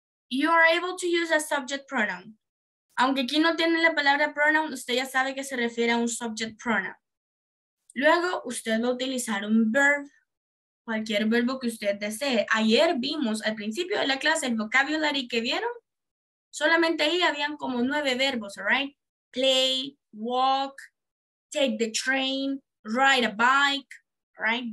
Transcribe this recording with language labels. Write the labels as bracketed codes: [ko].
[en] You are able to use a subject pronoun. [es] Aunque aquí no tiene la palabra pronoun, usted ya sabe que se refiere a un subject pronoun. Luego, usted va a utilizar un verb, cualquier verbo que usted desee. Ayer vimos al principio de la clase el vocabulary que vieron. Solamente ahí habían como 9 verbos, right? [en] Play, walk, take the train, ride a bike, right?